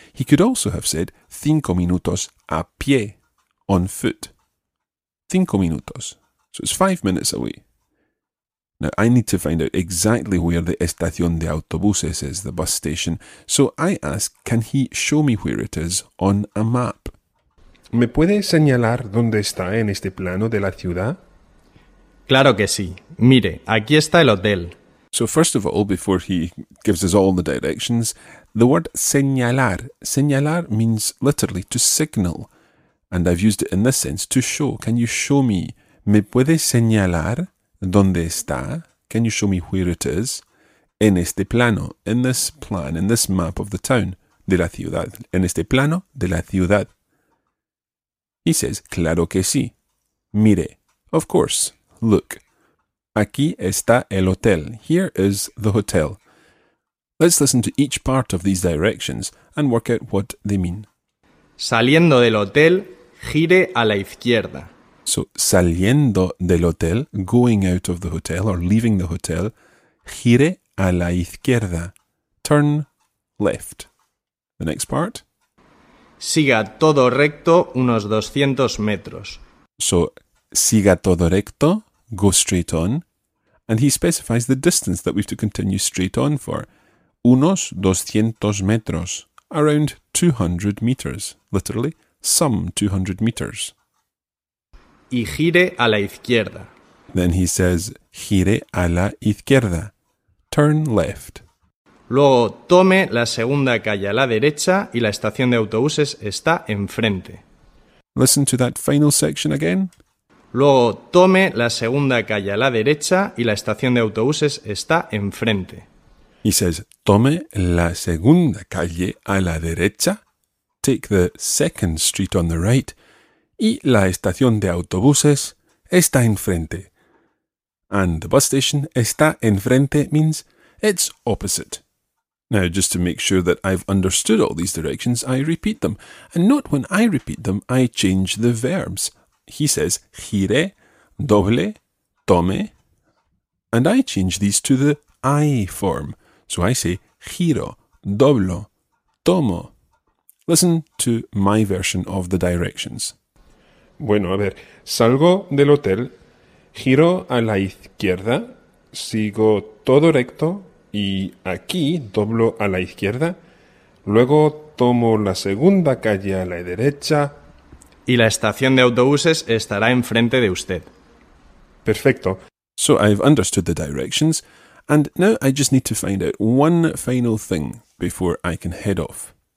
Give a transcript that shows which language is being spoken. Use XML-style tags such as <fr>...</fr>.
<en>He could also have said</en> <es>5 minutos a pie,</es> <en>on foot. 5 minutos. So it's 5 minutes away. Now, I need to find out exactly where the estación de autobuses is, the bus station. So I ask, can he show me where it is on a map?</en> <es>¿Me puede señalar dónde está en este plano de la ciudad? Claro que sí. Mire, aquí está el hotel.</es> <en>So first of all, before he gives us all the directions, the word señalar. Señalar means literally to signal. And I've used it in this sense, to show. Can you show me?</en> <es>¿Me puede señalar? ¿Dónde está?</es> <en>Can you show me where it is?</en> <es>En este plano,</es> <en>in this plan, in this map of the town,</en> <es>de la ciudad. En este plano, de la ciudad.</es> <en>He says,</en> <es>claro que sí. Mire,</es> <en>of course, look.</en> <es>Aquí está el hotel.</es> <en>Here is the hotel. Let's listen to each part of these directions and work out what they mean.</en> <es>Saliendo del hotel, gire a la izquierda.</es> <en>So,</en> <es>saliendo del hotel,</es> <en>going out of the hotel or leaving the hotel,</en> <es>gire a la izquierda,</es> <en>turn left. The next part.</en> <es>Siga todo recto unos 200 metros.</es> <en>So,</en> <es>siga todo recto,</es> <en>go straight on. And he specifies the distance that we have to continue straight on for.</en> <es>Unos 200 metros,</es> <en>around 200 meters, literally, some 200 meters.</en> <es>Y gire a la izquierda.</es> <en>Then he says,</en> <es>gire a la izquierda.</es> <en>Turn left.</en> <es>Luego tome la segunda calle a la derecha y la estación de autobuses está enfrente.</es> <en>Listen to that final section again.</en> <es>Luego tome la segunda calle a la derecha y la estación de autobuses está enfrente.</es> <en>He says,</en> <es>tome la segunda calle a la derecha.</es> <en>Take the second street on the right.</en> <es>Y la estación de autobuses está enfrente.</es> <en>And the bus station</en> <es>está enfrente</es> <en>means it's opposite. Now, just to make sure that I've understood all these directions, I repeat them. And note when I repeat them, I change the verbs. He says, gire, doble, tome. And I change these to the I form. So I say, giro, doblo, tomo. Listen to my version of the directions.</en> <es>Bueno, a ver, salgo del hotel, giro a la izquierda, sigo todo recto y aquí doblo a la izquierda, luego tomo la segunda calle a la derecha. Y la estación de autobuses estará enfrente de usted. Perfecto.</es> <en>So I've understood the directions, and now I just need to find out one final thing before I can head off.</en>